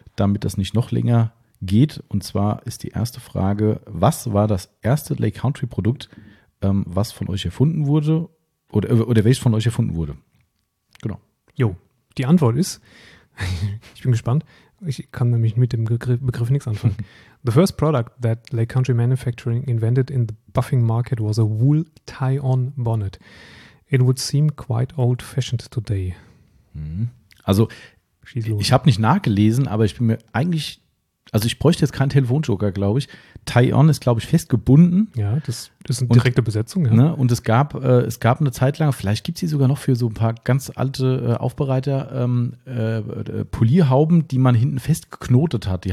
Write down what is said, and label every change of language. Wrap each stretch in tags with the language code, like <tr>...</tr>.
<de>damit das nicht noch länger geht. Und zwar ist die erste Frage, was war das erste Lake Country Produkt, was von euch erfunden wurde, oder welches von euch erfunden wurde? Genau. Jo, die Antwort ist, ich bin gespannt, ich kann nämlich mit dem Begriff nichts anfangen.</de> <en>The first product that Lake Country Manufacturing invented in the buffing market was a wool tie-on bonnet. It would seem quite old-fashioned today.</en> <de>Also, ich habe nicht nachgelesen, aber ich bin mir eigentlich, also ich bräuchte jetzt keinen Telefonjoker, glaube ich. Tie-on ist, glaube ich, festgebunden. Ja, das ist eine direkte Besetzung. Ja. Ne, und es gab eine Zeit lang, vielleicht gibt es die sogar noch für so ein paar ganz alte Aufbereiter, Polierhauben, die man hinten festgeknotet hat.</de>